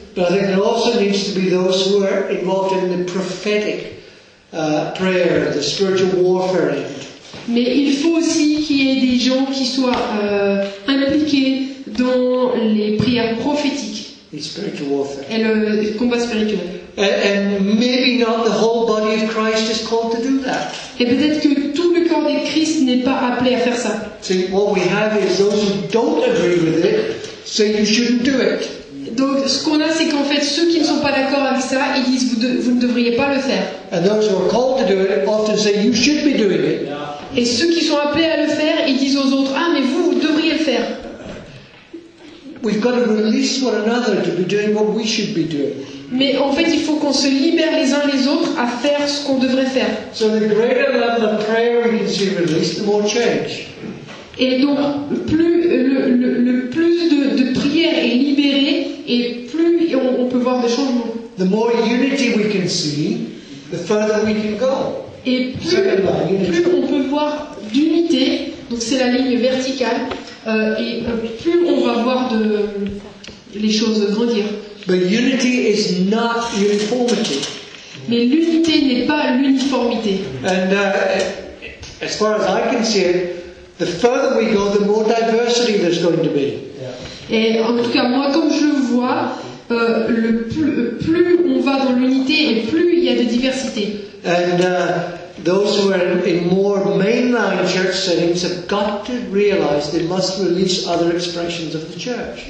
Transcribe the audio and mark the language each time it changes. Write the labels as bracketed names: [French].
[English] But I think there also needs to be those who are involved in the prophetic prayer, the spiritual warfare. [French] Mais il faut aussi qu'il y ait des gens qui soient impliqués dans les prières prophétiques. [English] The spiritual warfare. [French] Et le combat spirituel. [English] And maybe not the whole body of Christ is called to do that. [French] Et peut-être que tout le corps de Christ n'est pas appelé à faire ça. [English] See, what we have is those who don't agree with it. So you shouldn't do it. [French] Donc ce qu'on a, c'est qu'en fait, ceux qui ne sont pas d'accord avec ça, ils disent vous ne devriez pas le faire. [English] And those who are called to do it often say you should be doing it. [French] Et ceux qui sont appelés à le faire, ils disent aux autres, ah mais vous devriez le faire. [English] We've got to release one another to be doing what we should be doing. [French] Mais en fait, il faut qu'on se libère les uns les autres à faire ce qu'on devrait faire. [English] So the greater level of prayer we can see released, the more change. [French] Et donc, plus le plus de prière est libérée, et plus on peut voir des changements. [English] The more unity we can see, the further we can go. [French] Et plus on peut voir d'unité, donc c'est la ligne verticale, et plus on va voir de les choses grandir. [English] But unity is not uniformity. [French] Mais l'unité n'est pas l'uniformité. [English] And as far as I can see it, the further we go, the more diversity there's going to be. [French] Et en tout cas, moi, comme je le vois, plus on va dans l'unité et plus il y a de diversité. [English] And those who are in more mainline church settings have got to realize they must release other expressions of the church.